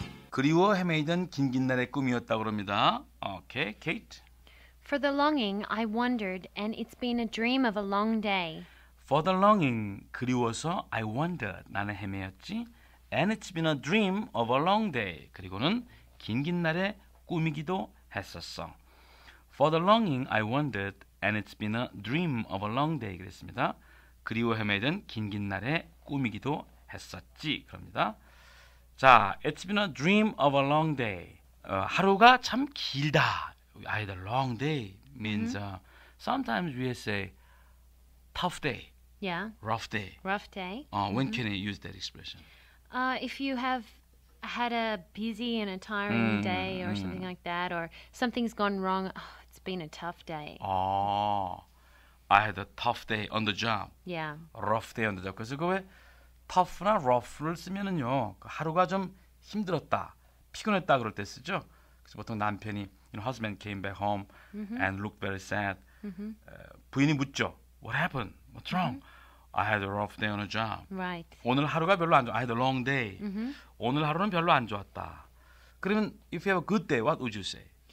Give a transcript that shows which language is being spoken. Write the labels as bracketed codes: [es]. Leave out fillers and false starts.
[ko] 그리워 헤매이던 긴긴 날의 꿈이었다고 합니다. 오케이, 케이트. [en] For the longing, I wandered, and it's been a dream of a long day. For the longing, [ko] 그리워서 [en] I wandered, [ko] 나는 헤매였지. [en] And it's been a dream of a long day. [ko] 그리고는 긴긴 날의 꿈이기도 했었어. [en] For the longing, I wandered, and it's been a dream of a long day. [ko] 그랬습니다. 그리워 헤매이던 긴긴 날의 꿈이기도 했었지. 그럽니다. [en] 자, it's been a dream of a long day. [ko] 하루가 참 길다. [en] I had a long day means sometimes we say tough day. Yeah. Rough day. Rough day. When can you use that expression? If you have had a busy and a tiring day or something like that, or something's gone wrong, oh, it's been a tough day. I had a tough day on the job. Yeah. Rough day on the job. [ko] 그래서 그 왜 tough나 rough를 쓰면은요, 하루가 좀 힘들었다, 피곤했다 그럴 때 쓰죠. 그래서 보통 남편이 [en] You know, husband came back home and looked very sad. [ko] 부인이 묻죠. [en] What happened? What's wrong? I had a rough day on a job. Right. [ko] 오늘 하루가 별로 안 좋아. [en] I had a long day. [ko] 오늘 하루는 별로 안 좋았다. 그러면 [en] if you have a good day, what would you say?